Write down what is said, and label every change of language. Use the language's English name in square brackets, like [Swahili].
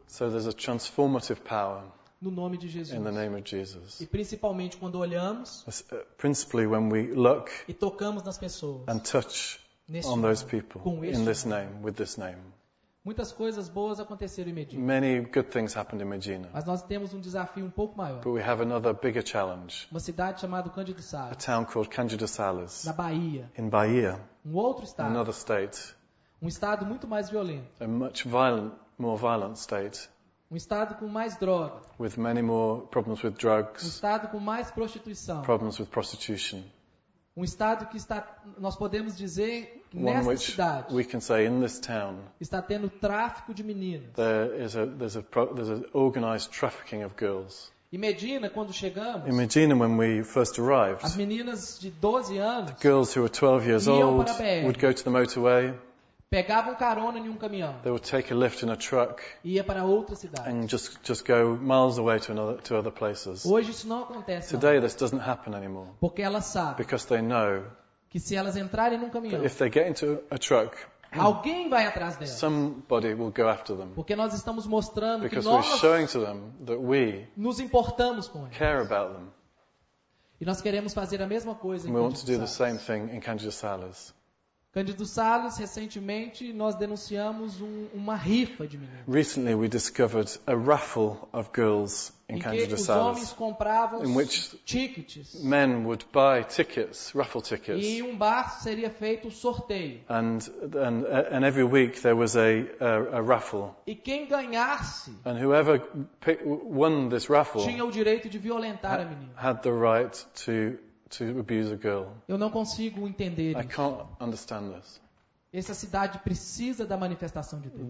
[English] So there's a transformative power. [Portuguese] No nome de Jesus. [English] In the name of Jesus. [Portuguese] E principalmente quando olhamos. [English] Principally when we look. [Portuguese] E tocamos nas pessoas. [English] And touch on those people. [Portuguese] Com [English] in this name, with this name. [Portuguese] Muitas coisas boas aconteceram em Medina. [English] Many good things happened in Medina. [Portuguese] Mas nós temos um desafio um pouco maior. [English] But we have another bigger challenge. [Portuguese] Uma cidade chamada Cândido Salles. [English] A town called Cândido Salles. [Portuguese] Na Bahia. [English] In Bahia. [Portuguese] Um outro estado. [English] Another state. [Portuguese] Um estado muito mais violento. [English] A much violent, more violent state. [Portuguese] Um estado com mais droga. [English] With many more problems with drugs. [Portuguese] Um estado com mais prostituição. [English] Problems with prostitution. [Portuguese] Um estado que está, nós podemos dizer, nesta cidade. [English] We can say in this town. [Portuguese] Está tendo tráfico de meninas. [English] There's an organized trafficking of girls. [Portuguese] Em Medina, quando chegamos. [English] In Medina, when we first arrived. [Portuguese] As meninas de 12 anos. [English] The girls who were 12 years old would go to the motorway. [Portuguese] Pegavam carona em um caminhão. [English] They would take a lift in a truck. [Portuguese] Ia para outra cidade. [English] And just go miles away to other places. [Portuguese] Hoje isso não acontece. [English] Today this doesn't happen anymore. [Portuguese] Porque elas sabem. [English] Because they know. [Portuguese] Que se elas entrarem num caminhão. [English] If they get into a truck. [Portuguese] Alguém vai atrás delas. [English] Somebody will go after them. [Portuguese] Porque nós estamos mostrando [English] because [Portuguese] que [English] we're [Portuguese] nós [English] showing to them that we [Portuguese] nos importamos com elas. [English] Care about them. [Portuguese] E nós queremos fazer a mesma coisa em Cândido Salles. Cândido Salles, recentemente nós denunciamos uma rifa de meninas. [English] Recently we discovered a raffle of girls in Cândido Salles. [Portuguese] Em que os homens compravam tickets. [English] Men would buy tickets, raffle tickets. [Portuguese] E um bar seria feito sorteio. [English] And every week there was a raffle. [Portuguese] E quem ganhasse. [English] And whoever won this raffle. [Portuguese] Tinha o direito de violentar a menina. [English] Had the right to abuse a girl. [Portuguese] Eu não consigo entender isso. [English] I can't understand this. [Portuguese] Essa cidade precisa da manifestação de Deus.